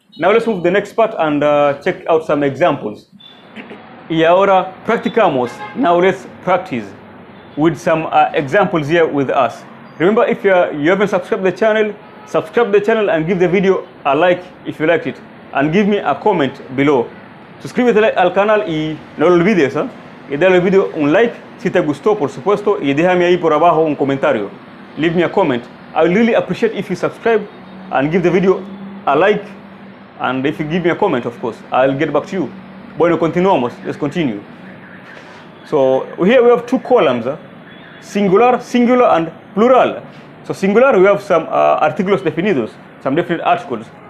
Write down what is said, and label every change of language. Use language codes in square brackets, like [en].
[en] Now let's move to the next part and check out some examples. [es] Y ahora practicamos. [en] Now let's practice with some examples here with us. Remember, if you haven't subscribed to the channel, subscribe to the channel and give the video a like if you liked it. And give me a comment below. [es] Suscríbete al canal y no lo olvides, ¿eh? Y dale al video un like si te gustó, por supuesto, y déjame ahí por abajo un comentario. [en] Leave me a comment. I will really appreciate if you subscribe and give the video a like. And if you give me a comment, of course, I'll get back to you. [es] Bueno, continuamos. [en] Let's continue. So here we have two columns, ¿eh? Singular and plural. So singular, we have some [es] artículos definidos, [en] some definite articles.